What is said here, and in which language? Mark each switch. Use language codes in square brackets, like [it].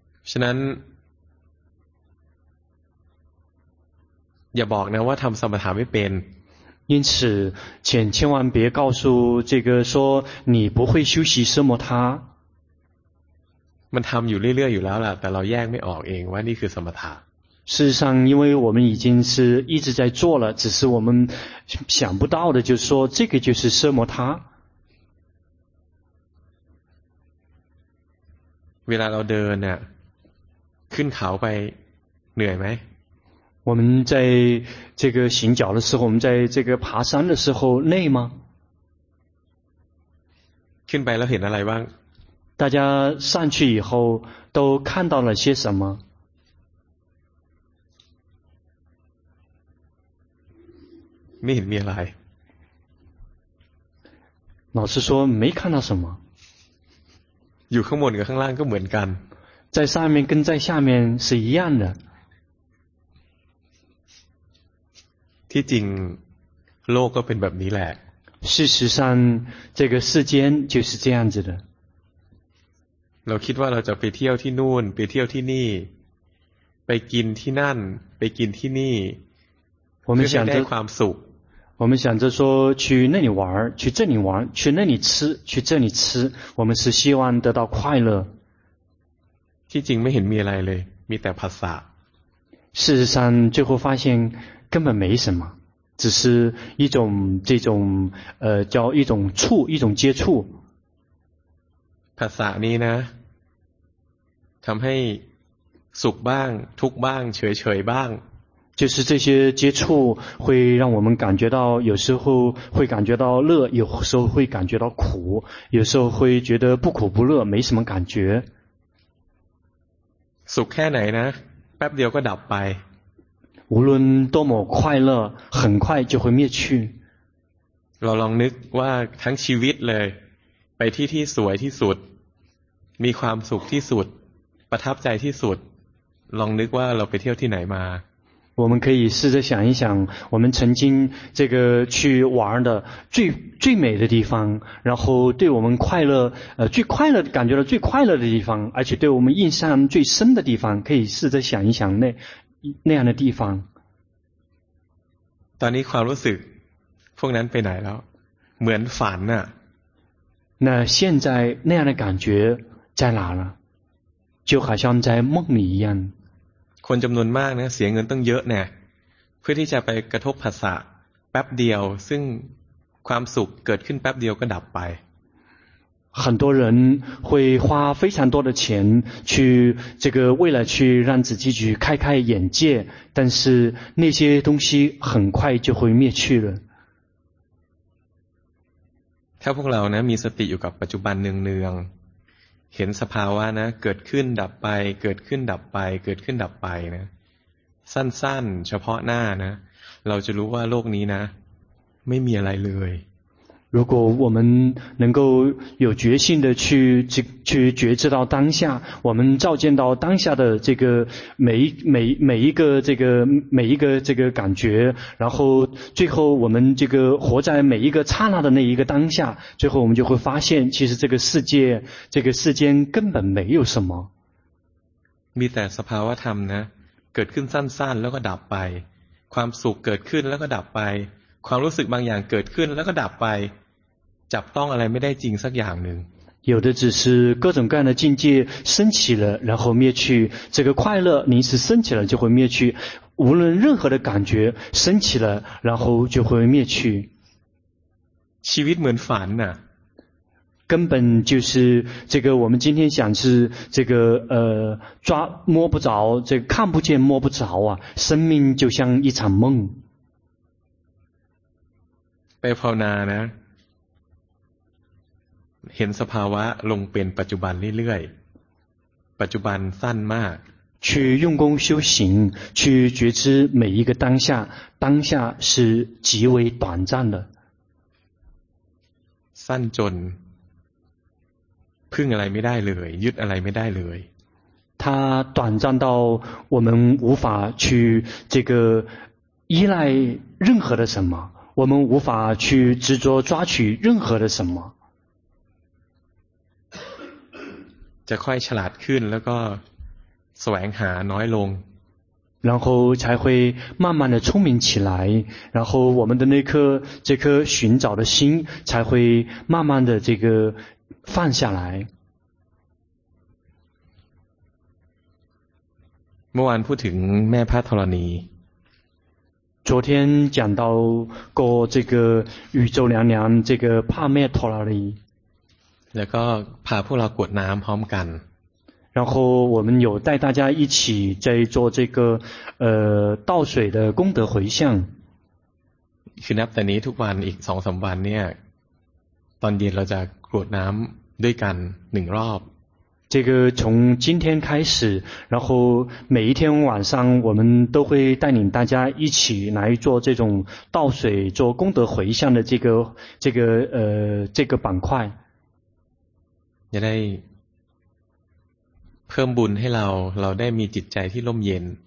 [th] ฉะนั้นอย่าบอกนะว่าทำสมถะไม่เป็น [zh] 因此请千万别告诉这个说你不会修习奢摩他 [th] มันทำอยู่เรื่อยๆอยู่แล้วล่ะแต่เราแยกไม่ออกเองว่านี่คือสมถะ [zh] 事实上因为我们已经是一直在做了只是我们想不到的就是说这个就是奢摩他 [th] เวลาเราเดินเนี่ยขึ้นเขาไปเหนื่อยไหม [zh] 我们在这个行脚的时候，我们在这个爬山的时候累吗？ [th] ขึ้นไปแล้วเห็นอะไรบ้าง？ [zh] 大家上去以后都看到了些什么？ [th] ไม่เห็นมีอะไร。 [zh] 老师说没看到什么。 [th] อยู่ข้างบนกับข้างล่างก็เหมือนกัน。 [zh] 在上面跟在下面是一样的。 [th] ที่จริงโลกก็เป็นแบบนี้แหละ [zh] 事实上这个世间就是这样子的 [th] เราคิดว่าเราจะไปเที่ยวที่นู่นไปเที่ยวที่นี่ไปกินที่นั่นไปกินที่นี่ [zh] 我们想着 [th] ความสุข [zh] 我们想着说去那里玩去这里玩去那里吃去这里吃我们是希望得到快乐 [th] ที่จริงไม่เห็นมีอะไรเลยมีแต่ภาษา [zh] 事实上最后发现根本没什么只是一种这种叫一种触一种接触 [th] ภาษานี้นะทำให้สุขบ้างทุกข์บ้างเฉยๆบ้าง [zh] 就是这些接触会让我们感觉到有时候会感觉到乐有时候会感觉到苦有时候会觉得不苦不乐没什么感觉 [th] สุขแค่ไหนนะแป๊บเดียวก็ดับไป [zh] 无论多么快乐很快就会灭去 [th] เราลองนึกว่าทั้งชีวิตเลยไปที่ที่สวยที่สุดมีความสุขที่สุดประทับใจที่สุดลองนึกว่าเราไปเที่ยวที่ไหนมา [zh] 我们可以试着想一想我们曾经这个去玩的最美的地方然后对我们快乐最快乐感觉到最快乐的地方而且对我们印象最深的地方可以试着想一想那样的地方 [th] ตอนนี้ความรู้สึกพวกนั้นไปไหนแล้วเหมือนฝันน่ะ [zh] 那现在那样的感觉在哪了就好像在梦里一样 [th] คนจำนวนมากนะเสียเงินต้องเยอะเนี่ยเพื่อที่จะไปกระทบผัสสะแป๊บเดียวซึ่งความสุขเกิดขึ้นแป๊บเดียวก็ดับไป [zh] 很多人会花非常多的钱去这个为了去让自己去开开眼界但是那些东西很快就会灭去了 [th] ถ้าพวกเรานะมีสติอยู่กับปัจจุบันเนืองๆเห็นสภาวะนะเกิดขึ้นดับไปเกิดขึ้นดับไปเกิดขึ้นดับไปนะสั้นๆเฉพาะหน้านะเราจะรู้ว่าโลกนี้นะไม่มีอะไรเลย [zh] 如果我们能够有决心的去觉知到当下，我们照见到当下的这个每一个感觉，然后最后我们这个活在每一个刹那的那一个当下，最后我们就会发现，其实这个世界这个世间根本没有什么。 [th] มีแต่สภาวะธรรมนะเกิดขึ้นสั้นๆแล้วก็ดับไปความสุขเกิดขึ้นแล้วก็ดับไปความรู้สึกบางอย่างเกิดขึ้นแล้วก็ดับไปจับต้องอะไรไม่ได้จริงสักอย่างหนึ่ง [zh] 有的只是各种各样的境界升起了然后灭去这个快乐临时升起了就会灭去无论任何的感觉升起了然后就会灭去 [th] ชีวิตเหมือนฝันน่ะ [zh] 根本就是这个我们今天想是这个抓摸不着这个看不见摸不着啊生命就像一场梦 [th] ไปภาวนานะเห็นสภาวะลงเป็นปัจจุบันเรื่อยๆปัจจุบันสั้นมาก [zh] 去用功修行去觉知每一个当下当下是极为短暂的 [th] สั้นจนพึ่งอะไรไม่ได้เลยยึดอะไรไม่ได้เลย [zh] 它短暂到我们无法去这个依赖任何的什么我们无法去执着抓取任何的什么 [th] จะค่อยฉลาดขึ้นแล้วก็แสวงหาน้อยลง [zh] 然后才会慢慢的聪明起来然后我们的那颗这颗寻找的心才会慢慢的这个放下来 [th] เมื่อวานพูดถึงแม่พระธรณี [zh] 昨天讲到过这个宇宙娘娘这个帕妹陀拉尼 [th] แล้วก็พาพวกเรากวดน้ำพร้อมกัน [zh] 然后我们有带大家一起在做这个倒水的功德回向 [th] คือนับแต่นี้ทุกวันอีก 2-3 วันเนี่ยตอนเย็นเราจะกวดน้ำด้วยกัน1รอบ [zh] 这个从今天开始然后每一天晚上我们都会带领大家一起来做这种倒水做功德回向的这个板块 [th] จะได้เพิ่มบุญให้เราได้มีจิตใจที่ร่มเย็น